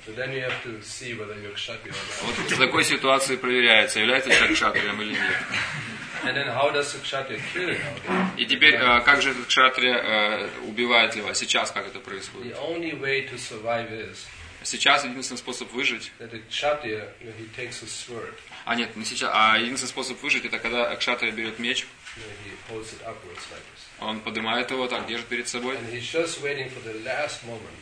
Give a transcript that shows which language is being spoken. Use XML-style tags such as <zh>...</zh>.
<en>So then you have to see whether you're kshatriya or not.</en> <ru>Вот в такой ситуации проверяется, является ли кшатрием или нет.</ru> <en>And then how does the kshatriya kill it now?</en> <ru>И теперь как же этот кшатрия убивает льва? Сейчас как это происходит?</ru> <en>The only way to survive is.</en> <ru>Сейчас единственный способ выжить.</ru> <en>That the kshatriya, you know, he takes a sword.</en> <ru>А нет, не сейчас. А единственный способ выжить — это когда кшатрия берет меч.</ru> <en>He holds it upwards like this.</en> <ru>Он поднимает его так, держит перед собой.</ru> <en>And he's just waiting for the last moment.</en>